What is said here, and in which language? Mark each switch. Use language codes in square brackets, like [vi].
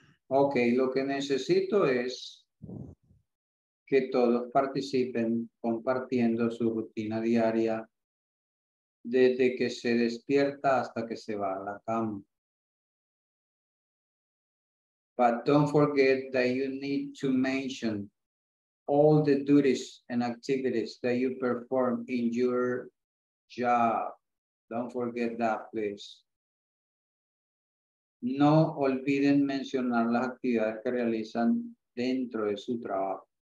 [es] Okay, lo que necesito es que todos participen compartiendo su rutina diaria desde que se despierta hasta que se va a la cama. [en] But don't forget that you need to mention all the duties and activities that you perform in your job. Don't forget that, please. [es] No olviden mencionar las actividades que realizan dentro de su trabajo.